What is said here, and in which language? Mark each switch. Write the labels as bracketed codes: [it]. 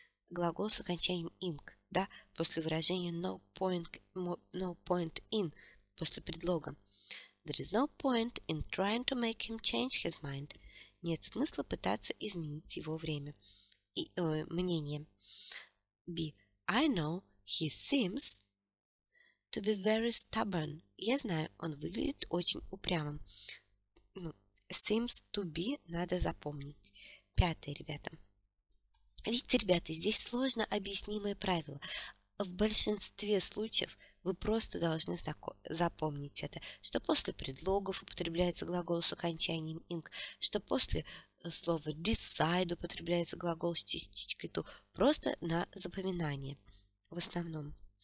[ru] Глагол с окончанием ing. Да? После выражения [en] no point in. [ru] После предлога. [en] There is no point in trying to make him change his mind. [ru] Нет смысла пытаться изменить его время. И, мнение. B. [en] I know he seems to be very stubborn. [ru] Я знаю, он выглядит очень упрямым. Ну, [en] seems to be [ru] надо запомнить. Пятое, ребята. Видите, ребята, здесь сложно объяснимое правило. В большинстве случаев вы просто должны запомнить это, что после предлогов употребляется глагол с окончанием ing, что после слова decide употребляется глагол с частичкой to, просто на запоминание в основном.